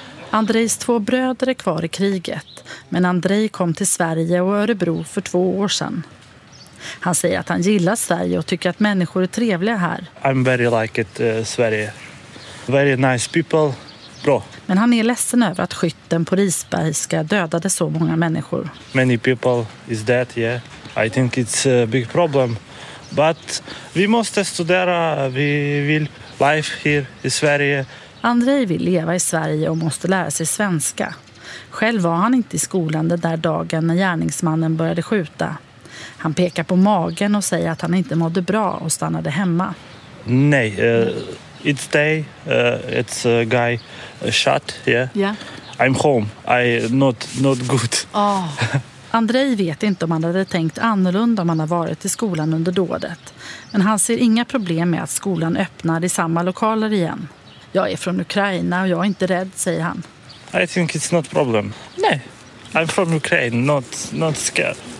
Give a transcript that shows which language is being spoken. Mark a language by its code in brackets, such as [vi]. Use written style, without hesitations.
[sv] Andrejs två bröder är kvar i kriget, men Andrej kom till Sverige och Örebro för 2 år sedan. Han säger att han gillar Sverige och tycker att människor är trevliga här. [en] I'm very like it, Sverige. Very nice people. [sv] Bra. Men han är ledsen över att skytten på Risbergska dödade så många människor. [en] Many people is dead, yeah. I think it's a big problem. But we [sv] måste studera. Vi vill [en] life here [sv] i Sverige. Andrej vill leva i Sverige och måste lära sig svenska. Själv var han inte i skolan den där dagen när gärningsmannen började skjuta. Han pekar på magen och säger att han inte mådde bra och stannade hemma. [en] Nej, it's day, it's a guy shot, yeah. Yeah. I'm home, I'm not good. Oh. [sv] Andrej vet inte om han hade tänkt annorlunda om han har varit i skolan under dådet. Men han ser inga problem med att skolan öppnar i samma lokaler igen. Jag är från Ukraina och jag är inte rädd, säger han. [en] I think it's not problem. [sv] Nej, [en] no. I'm from Ukraine, not scared.